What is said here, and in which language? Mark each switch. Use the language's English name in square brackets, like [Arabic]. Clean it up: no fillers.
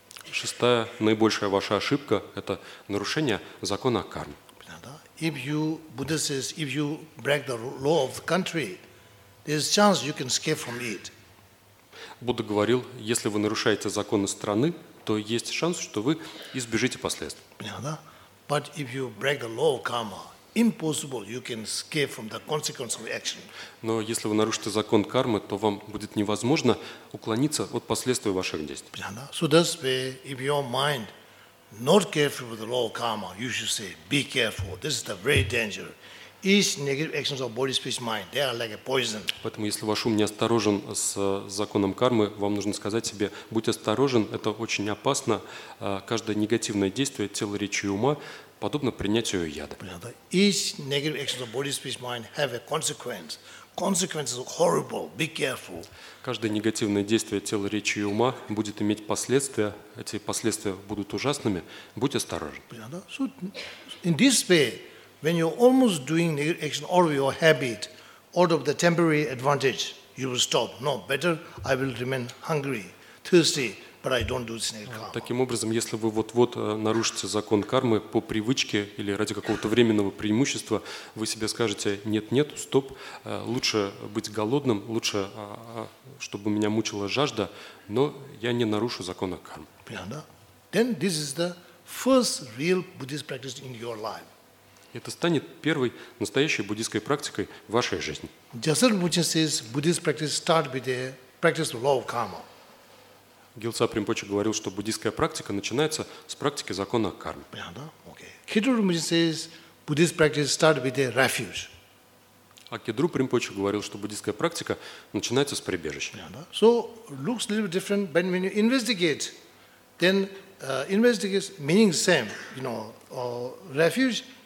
[Russian] Шестая, наибольшая ваша ошибка – это нарушение закона кармы. [English] If you, Buddha says, if you break the law of the country, there's a chance you can escape from it. [Russian] Будда говорил, если вы нарушаете законы страны, то есть шанс, что вы избежите последствий. Да. [English] But if you break the law of karma, impossible you can escape from the consequence of action. [Russian] Но если вы нарушите закон кармы, то вам будет невозможно уклониться от последствий ваших действий. Да. [English] So that's where if your mind not careful with the law of karma, you should say, be careful. This is the very danger. Each negative actions of body, speech, mind, they are like a poison. [Russian] Поэтому, если ваш ум не осторожен с законом кармы, вам нужно сказать себе: будь осторожен, это очень опасно. Каждое негативное действие тела, речи и ума подобно принятию яда. [English] Each negative actions of body, speech, mind have a consequence. Consequences are horrible. Be careful. [Russian] Каждое негативное действие тела, речи и ума будет иметь последствия. Эти последствия будут ужасными. Будь осторожен. [English] So, in this way, when you're almost doing negative action out of your habit, out of the temporary advantage, you will stop. No, better I will remain hungry, thirsty, but I don't do this negative karma. [Russian] Таким образом, если вы вот-вот нарушите закон кармы по привычке или ради какого-то временного преимущества, вы себе скажете: нет-нет, стоп, лучше быть голодным, лучше, чтобы меня мучила жажда, но я не нарушу закон кармы. [English] Then this is the first real Buddhist practice in your life. [Russian] Это станет первой настоящей буддийской практикой в вашей жизни. [English] Gyaltsen Buchen says Buddhist practice start with the practice of law of karma. [Russian] Гелсап Римпоче говорил, что буддийская практика начинается с практики закона кармы. Понятно? Окей. [English] Кедру Римпоче says Buddhist practice start with the refuge. [Russian] А Кедру Римпоче говорил, что буддийская практика начинается с прибежища. Понятно? [English] So looks a little different, but when you investigate, then investigate meaning same, you know, refuge.